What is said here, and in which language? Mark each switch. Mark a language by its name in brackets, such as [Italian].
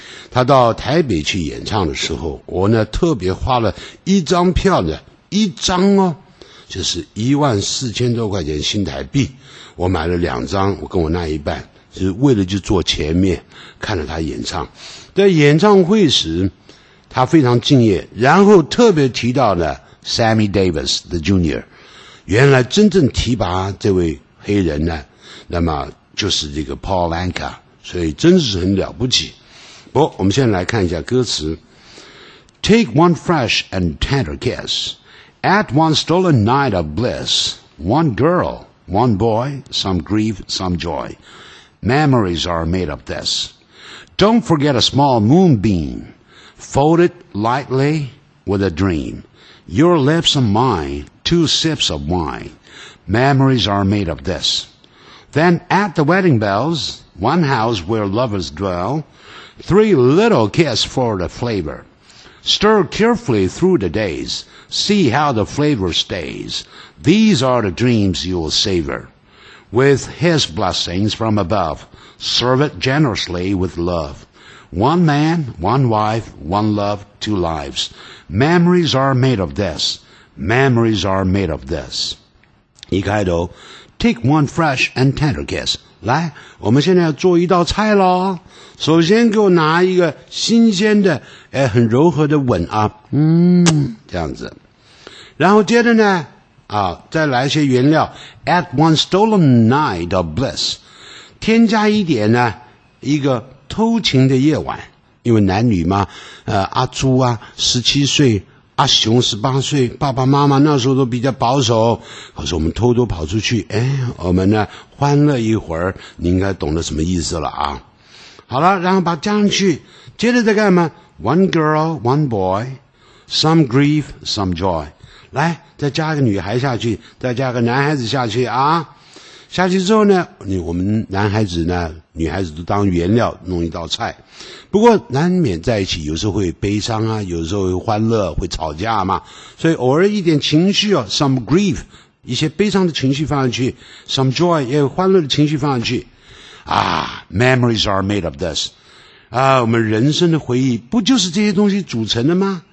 [Chinese] 他到台北去演唱的时候，我呢特别花了一张票呢，一张哦，就是14000多块钱新台币，我买了两张，我跟我那一半，就是为了就坐前面，看着他演唱。在演唱会时，他非常敬业，然后特别提到呢Sammy Davis the Junior， 原来真正提拔这位黑人呢，那么就是这个 Paul Anka， 所以真是很了不起。不，我们先来看一下歌词 [English] ：Take one fresh and tender kiss, at one stolen night of bliss, one girl, one boy, some grief, some joy. Memories are made of this. Don't forget a small moonbeam, fold it lightly with a dream. Your lips and mine, two sips of wine. Memories are made of this. Then at the wedding bells, one house where lovers dwell, three little kisses for the flavor. Stir carefully through the days, see how the flavor stays. These are the dreams you'll savor. With his blessings from above, serve it generously with love. One man, one wife, one love, two lives. Memories are made of this. Memories are made of this. [Chinese] 一开头 [English] ,take one fresh and tender kiss. [Chinese] 来，我们现在要做一道菜咯。首先给我拿一个新鲜的，哎，很柔和的吻啊，嗯，这样子。然后接着呢，啊，再来一些原料 ， [English] add one stolen night of bliss， [Chinese] 添加一点呢，一个偷情的夜晚，因为男女嘛，阿朱啊，17岁。阿雄18岁，爸爸妈妈那时候都比较保守，可是我们偷偷跑出去，哎，我们呢欢乐一会儿，你应该懂得什么意思了啊。好了，然后把加上去，接着再干嘛 ？ [English] One girl, one boy, some grief, some joy。 [Chinese] 来，再加一个女孩下去，再加个男孩子下去啊。下去之后呢，你我们男孩子呢，女孩子都当原料弄一道菜，不过难免在一起有时候会悲伤啊，有时候会欢乐，会吵架嘛，所以偶尔一点情绪哦 ， [English] some grief， [Chinese] 一些悲伤的情绪放上去 ， [English] some joy [Chinese] 也有欢乐的情绪放上去，啊 ， [English] memories are made of this， [Chinese] 啊，我们人生的回忆不就是这些东西组成的吗？